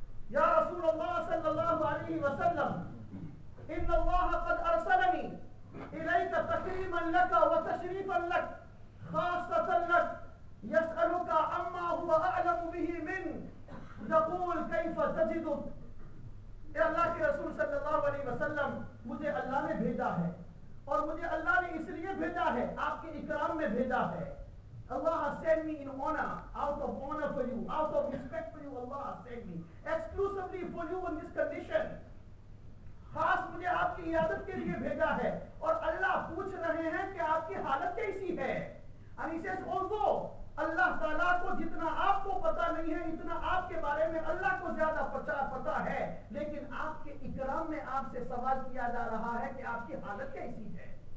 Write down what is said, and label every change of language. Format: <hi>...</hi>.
<ur>یا رسول اللہ صلی اللہ علیہ وسلم</ur> <ar>ان اللہ قد ارسلنی الیک تکریما لک وتشریفا لک خاصة لک یسألک عما هو اعلم به من نقول کیف تجدک,</ar> <ur>اے اللہ کے رسول صلی اللہ علیہ وسلم مجھے اللہ نے بھیجا ہے اور مجھے اللہ نے اس لیے بھیجا ہے آپ کے اکرام میں بھیجا ہے.</ur> <en>Allah has sent me in honor, out of honor for you, out of respect for you, Allah has sent me exclusively for you in this condition.</en> <ur>خاص مجھے آپ کی عیادت کے لیے بھیجا ہے اور اللہ پوچھ رہے ہیں کہ آپ کی حالت کیسی ہے.</ur> <en>And he says also</en> <ur>اللہ تعالیٰ کو جتنا آپ کو پتا نہیں ہے اتنا آپ کے بارے میں اللہ کو زیادہ پتا ہے, لیکن آپ کے اکرام میں آپ سے سوال کیا جا رہا ہے کہ آپ کی حالت کیسی ہے.</ur>